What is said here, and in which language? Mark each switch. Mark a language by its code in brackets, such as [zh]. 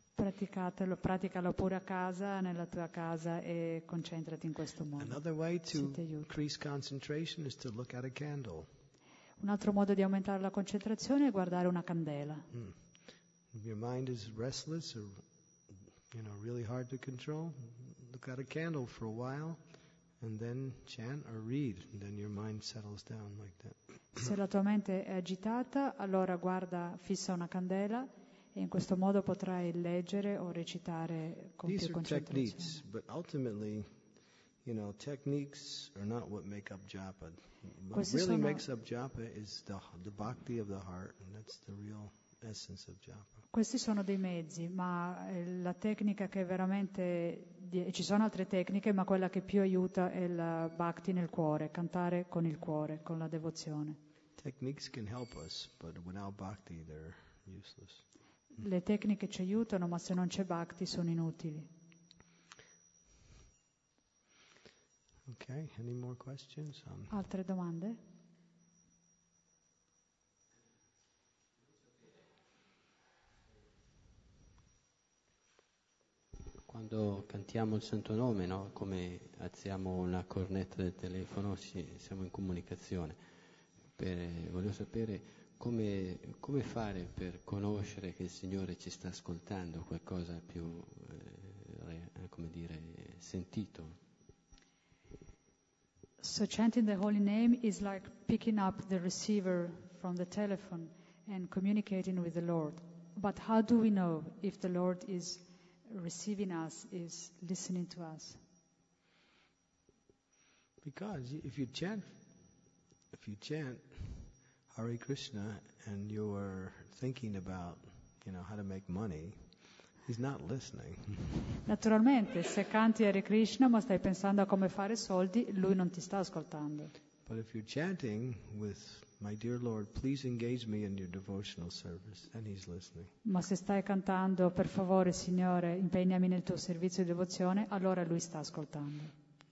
[it] Praticatelo, praticalo pure a casa, nella tua casa, e concentrati in questo modo. [en] Another way to increase concentration is to look at a candle. [it] Un altro modo di aumentare la concentrazione è guardare una candela. [en] Your mind is restless or, you know, really hard to control, look at a candle for a while and then chant or read, and then your mind settles down like that. [it] Se la tua mente è agitata, allora guarda fissa una candela, e in questo modo potrai leggere o recitare con [en] these [it] più concentrazione. [en] These are techniques, but ultimately, you know, techniques are not what make up japa. What really makes up japa is the bhakti of the heart, and that's the real essence of japa. [it] Questi sono dei mezzi, ma la tecnica che veramente ci sono altre tecniche, ma quella che più aiuta è il bhakti nel cuore, cantare con il cuore, con la devozione. [en] Techniques can help us, but without bhakti they're useless. [it] Le tecniche ci aiutano, ma se non c'è bhakti sono inutili. [en] Okay, any more questions? [it] Altre domande? Quando cantiamo il santo nome, no? Come alziamo una cornetta del telefono, siamo in comunicazione. Volevo sapere come fare per conoscere che il Signore ci sta ascoltando, qualcosa più, come dire, sentito. [en] So chanting the holy name is like picking up the receiver from the telephone and communicating with the Lord. But how do we know if the Lord is receiving us, is listening to us? Because if you chant Hare Krishna and you're thinking about, you know, how to make money, he's not listening. [it] Naturalmente, se canti Hare Krishna ma stai pensando a come fare soldi, lui non ti sta ascoltando. [en] But if you're chanting with My dear Lord, please engage me in your devotional service. And he's listening. [it] Ma se stai cantando, per favore, Signore, impegnami nel tuo servizio di devozione, allora lui sta ascoltando.